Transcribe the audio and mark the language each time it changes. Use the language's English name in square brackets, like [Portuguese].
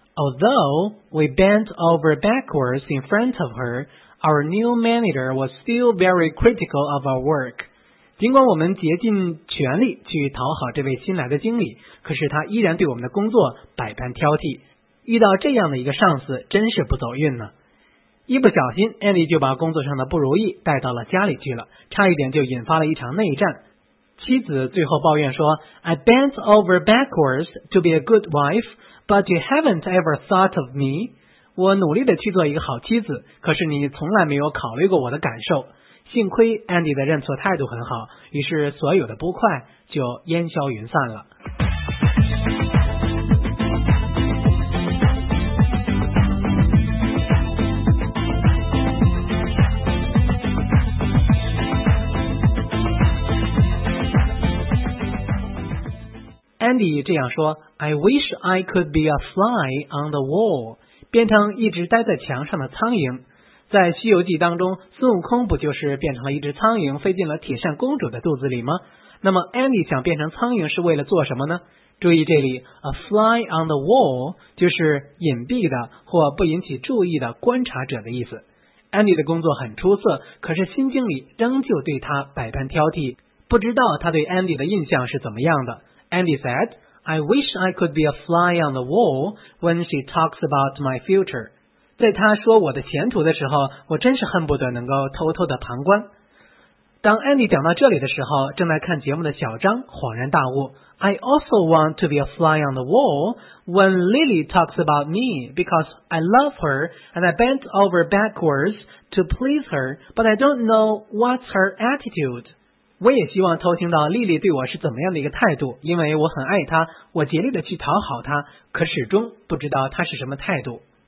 [English] Although we bent over backwards in front of her, our new manager was still very critical of our work. [Chinese] 尽管我们竭尽全力去讨好这位新来的经理，可是他依然对我们的工作百般挑剔。遇到这样的一个上司真是不走运呢。一不小心 Andy 就把工作上的不如意带到了家里去了，差一点就引发了一场内战。妻子最后抱怨说， [English] I bent over backwards to be a good wife, but you haven't ever thought of me. [Chinese] 我努力的去做一个好妻子，可是你从来没有考虑过我的感受。幸亏 Andy 的认错态度很好，于是所有的不快就烟消云散了。 [English] Andy [Chinese] 这样说， [English] I wish I could be a fly on the wall， [Chinese] 变成一只待在墙上的苍蝇。在西游记当中，孙悟空不就是变成了一只苍蝇飞进了铁扇公主的肚子里吗？那么 Andy 想变成苍蝇是为了做什么呢？注意这里 [English] a fly on the wall [Chinese] 就是隐蔽的或不引起注意的观察者的意思。 Andy 的工作很出色，可是新经理仍旧对他百般挑剔，不知道他对 Andy 的印象是怎么样的。 [English] Andy said, I wish I could be a fly on the wall when she talks about my future. [Chinese] 在她说我的前途的时候，我真是恨不得能够偷偷的旁观。当 Andy 讲到这里的时候，正在看节目的小张恍然大悟， [English] I also want to be a fly on the wall when Lily talks about me because I love her and I bent over backwards to please her, but I don't know what's her attitude. [Chinese] 我也希望偷听到莉莉对我是怎么样的一个态度，因为我很爱她，我竭力的去讨好她，可始终不知道她是什么态度。